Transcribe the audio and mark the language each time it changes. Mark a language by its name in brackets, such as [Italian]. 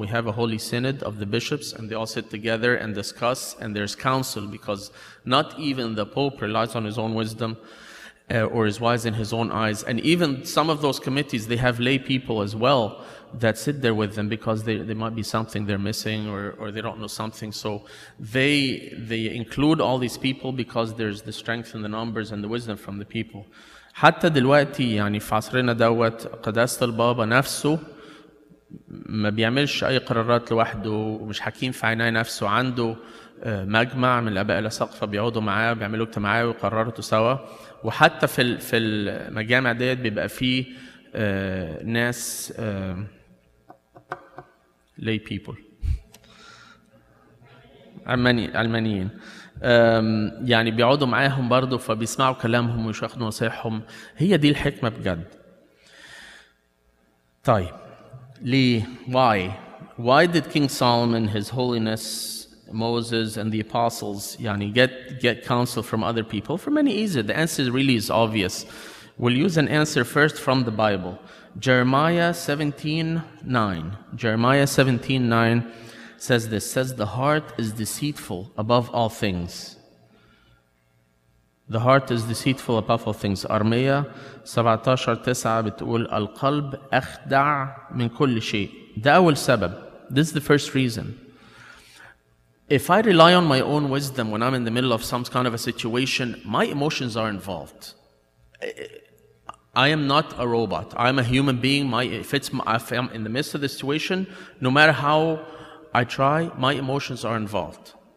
[English] We have a holy synod of the bishops and they all sit together and discuss and there's counsel, because not even the Pope relies on his own wisdom or is wise in his own eyes. And even some of those committees, they have lay people as well that sit there with them because they might be something they're missing or they don't know something. So they include all these people because there's the strength in the numbers and the wisdom from the people. [Arabic] حتى دلوقتي يعني في عصرنا دوت قداسة البابا نفسه ما بيعملش أي قرارات لوحده ومش حكيم في عيني نفسه، عنده مجمع من الآباء الأسقفة بيقعدوا معاه بيعملوا اجتماعات وقرارته سوا. وحتى في المجامع ديت بيبقى فيه ناس lay people علمانيين يعني بيقعدوا معاهم برضو فبيسمعوا كلامهم ويشاخدوا نصيحهم. هي دي الحكمة بجد. طيب ليه؟ [English] Why did King Solomon, His Holiness, Moses and the Apostles يعني get counsel from other people? For many reasons. The answer really is obvious. We'll use an answer first from the Bible. Jeremiah 17:9. Jeremiah 17:9 says this, says the heart is deceitful above all things. The heart is deceitful above all things. [Arabic] Jeremiah 17:9 بتقول القلب أخدع من كل شيء. ده أول سبب. [English] This is the first reason. If I rely on my own wisdom when I'm in the middle of some kind of a situation, my emotions are involved. I am not a robot. I'm a human being. If I'm in the midst of the situation, no matter how I try, my emotions are involved.